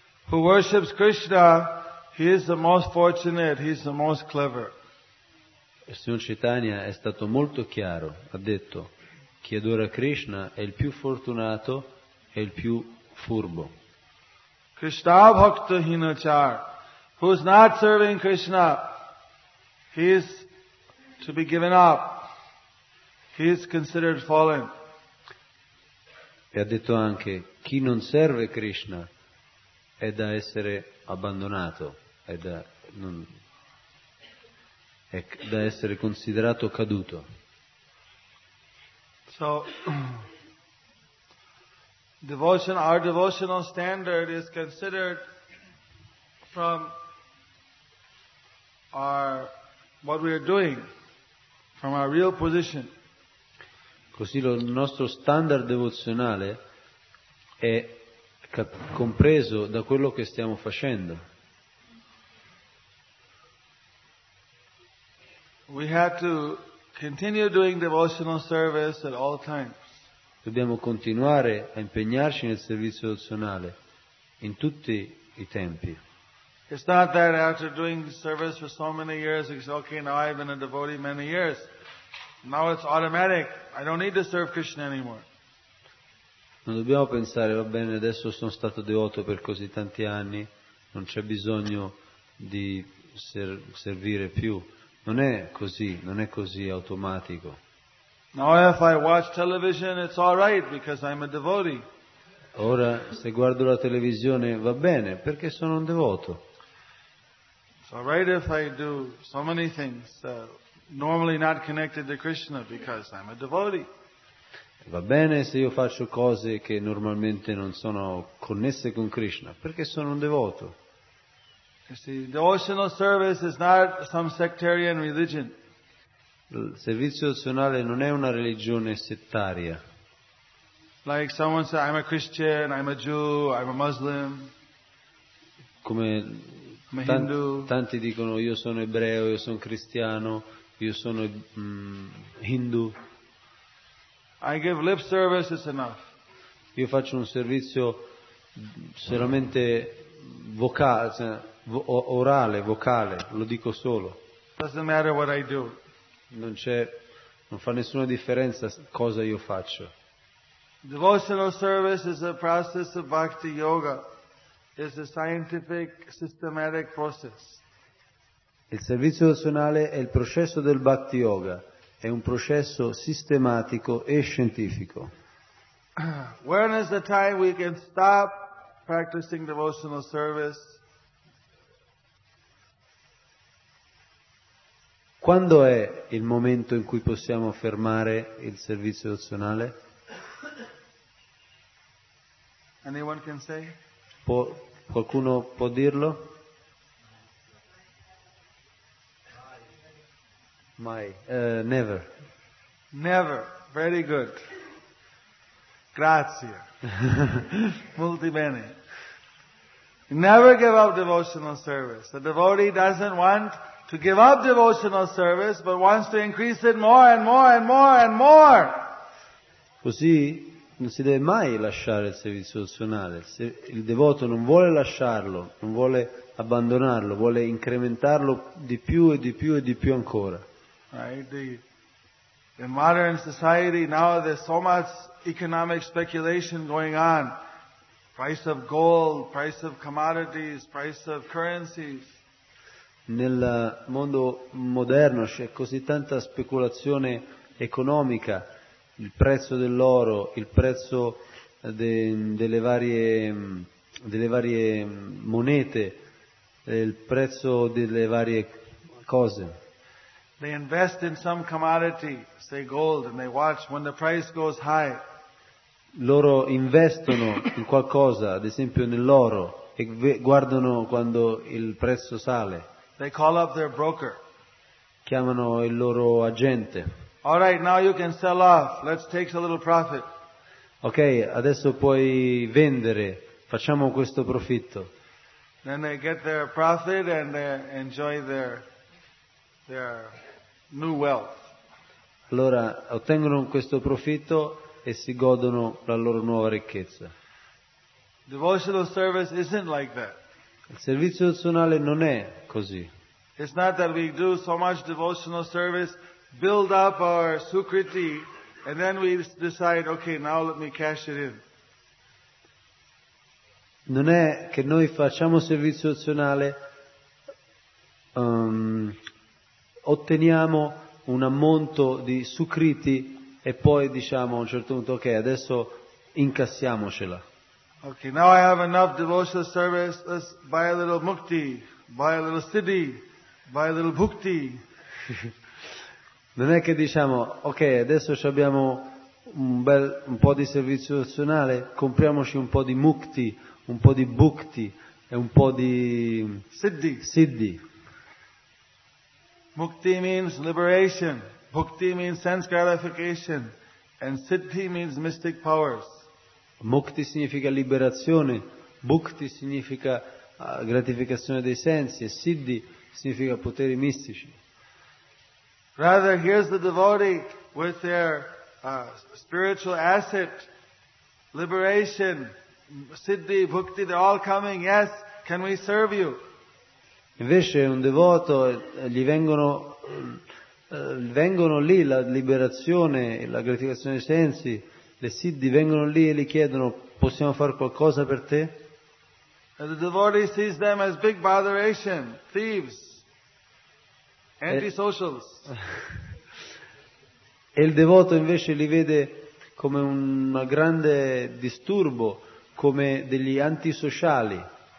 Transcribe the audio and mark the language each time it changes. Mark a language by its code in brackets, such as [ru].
[en] Who worships Krishna, he is the most fortunate, he is the most clever. [it] Il signor Chaitanya è stato molto chiaro, ha detto, chi adora Krishna è il più fortunato e il più furbo. [bn] Krishna bhakta hinachar, [en] who is not serving Krishna, he is to be given up, he is considered fallen. [it] E ha detto anche, chi non serve Krishna è da essere abbandonato, è da non, è da essere considerato caduto. [en] So, devotion, our devotional standard is considered from our what we are doing, from our real position. [it] Così il nostro standard devozionale è compreso da quello che stiamo facendo. [en] We have to continue doing devotional service at all times. [it] Dobbiamo continuare a impegnarci nel servizio devozionale in tutti i tempi. [en] It's not that after doing service for so many years, it's okay, now I've been a devotee many years. Now it's automatic. I don't need to serve Krishna anymore. [it] Non dobbiamo pensare, va bene, adesso sono stato devoto per così tanti anni, non c'è bisogno di servire più. Non è così, non è così automatico. [en] Now if I watch television, it's all right because I'm a devotee. [it] Ora se guardo la televisione va bene perché sono un devoto. [en] It's all right if I do so many things normally not connected to Krishna because I'm a devotee. [it] Va bene se io faccio cose che normalmente non sono connesse con Krishna perché sono un devoto. [en] You see, devotional service is not some sectarian religion. [it] Il servizio devozionale non è una religione settaria. [en] Like someone said, I'm a Christian, I'm a Jew, I'm a Muslim. [it] Come [en] I'm a Hindu. [it] Tanti dicono io sono ebreo, io sono cristiano, io sono Hindu. [en] I give lip service, it's enough. [it] Io faccio un servizio solamente vocale, lo dico solo. [en] Doesn't matter what I do. [it] Non fa nessuna differenza cosa io faccio. [en] Devotional service is a process of bhakti yoga. It's a scientific, systematic process. [it] Il servizio devozionale è il processo del bhakti yoga. È un processo sistematico e scientifico. [en] When is the time we can stop practicing devotional service? [it] Quando è il momento in cui possiamo fermare il servizio devozionale? [en] Anyone can say? [it] Qualcuno può dirlo? Mai. [en] Never. Never. Very good. [it] Grazie. Molto bene. [en] Never give up devotional service. The devotee doesn't want to give up devotional service, but wants to increase it more and more and more and more. [it] Così non si deve mai lasciare il servizio devozionale. Se il devoto non vuole lasciarlo, non vuole abbandonarlo, vuole incrementarlo di più e di più e di più ancora. [en] Right. In modern society now there's so much economic speculation going on. Price of gold, price of commodities, price of currencies. [it] Nel mondo moderno c'è così tanta speculazione economica, il prezzo dell'oro, il prezzo delle varie monete, il prezzo delle varie cose. [en] They invest in some commodity, say gold, and they watch when the price goes high. [it] Loro investono in qualcosa, ad esempio nell'oro, e guardano quando il prezzo sale. [en] They call up their broker. [it] Chiamano il loro agente. [en] All right, now you can sell off. Let's take a little profit. [it] Ok, adesso puoi vendere. Facciamo questo profitto. [en] Then they get their profit and they enjoy their new wealth. [it] Allora ottengono questo profitto e si godono la loro nuova ricchezza. [en] Devotional service isn't like that. [it] Il servizio devozionale non è così. [en] It's not that we do so much devotional service, build up our sukriti, and then we decide, okay, now let me cash it in. [it] Non è che noi facciamo servizio devozionale, otteniamo un ammonto di sukriti e poi diciamo a un certo punto, ok, adesso incassiamocela. [en] Okay, now I have enough devotional service. Let's buy a little mukti, buy a little siddhi, buy a little bhukti. [it] Non è che diciamo, ok, adesso abbiamo un po' di servizio nazionale, compriamoci un po' di mukti, un po' di bhukti e un po' di [en] siddhi. Mukti means liberation, bhukti means sense gratification, and siddhi means mystic powers. [it] Mukti significa liberazione, bhukti significa gratificazione dei sensi, e siddhi significa poteri mistici. [en] Rather, here's the devotee with their spiritual asset, liberation, siddhi, bhukti, they're all coming, yes, can we serve you? [it] Invece un devoto, gli vengono lì la liberazione e la gratificazione dei sensi, le siddhi vengono lì e gli chiedono, possiamo fare qualcosa per te? [en] And the devotee sees them as big botheration, thieves, antisocials. [it] E il devoto invece li vede come un grande disturbo, come degli antisociali.